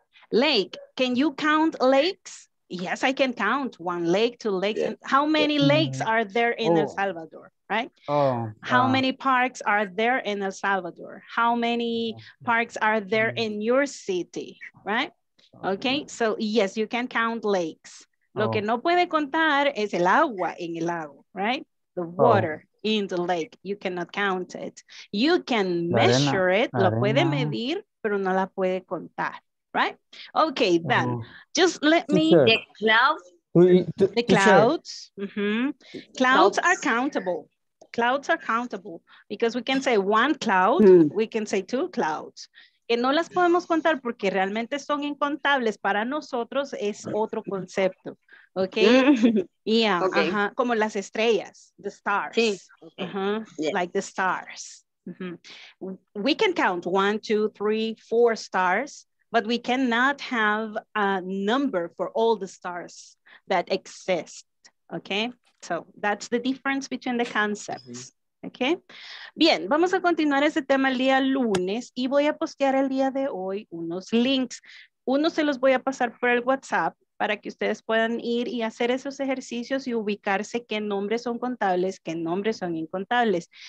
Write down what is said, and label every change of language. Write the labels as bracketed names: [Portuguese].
[English] Lake, can you count lakes? Yes, I can count one lake, two lakes. Yeah. How many lakes are there in El Salvador, right? How many parks are there in El Salvador? How many parks are there in your city, right? Okay, so yes, you can count lakes. [Spanish] Lo que no puede contar es el agua en el lago, right? [English] The water in the lake, you cannot count it. You can measure it, [Spanish] lo puede medir, pero no la puede contar. [English] Right? Okay, then. Just let me... The clouds. The clouds. Mm-hmm. Clouds are countable. clouds are countable, because we can say one cloud, we can say two clouds. [Spanish] Que no las podemos contar porque realmente son incontables, para nosotros es otro concepto. [English] Okay. Yeah. Okay. Uh-huh. [Spanish] Como las estrellas, [English] the stars. [Spanish] Sí. [English] Uh-huh. Yeah. Like the stars. Mm-hmm. We can count 1, 2, 3, 4 stars, but we cannot have a number for all the stars that exist. Okay. So that's the difference between the concepts. Mm-hmm. Okay. [Spanish] Bien, vamos a continuar ese tema el día lunes y voy a postear el día de hoy unos links. Uno se los voy a pasar por el WhatsApp para que ustedes puedan ir y hacer esos ejercicios y ubicarse qué nombres son contables, qué nombres son incontables.